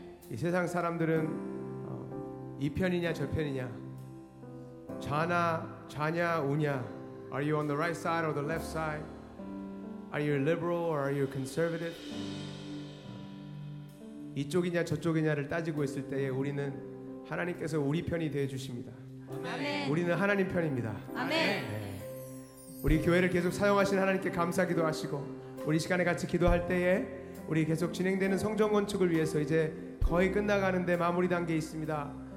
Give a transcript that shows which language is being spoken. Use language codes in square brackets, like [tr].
[ko] 이 세상 사람들은 이 편이냐 저 편이냐, 좌나 좌냐 우냐, [en] Are you on the right side or the left side? Are you liberal or are you conservative? [ko] 이쪽이냐 저쪽이냐를 따지고 있을 때에 우리는 하나님께서 우리 편이 되어주십니다. 아멘. 우리는 하나님 편입니다. 아멘. 네. 우리 교회를 계속 사용하신 하나님께 감사 기도하시고, 우리 시간에 같이 기도할 때에 우리 계속 진행되는 성전 건축을 위해서 이제 거의 끝나가는데 마무리 단계에 있습니다.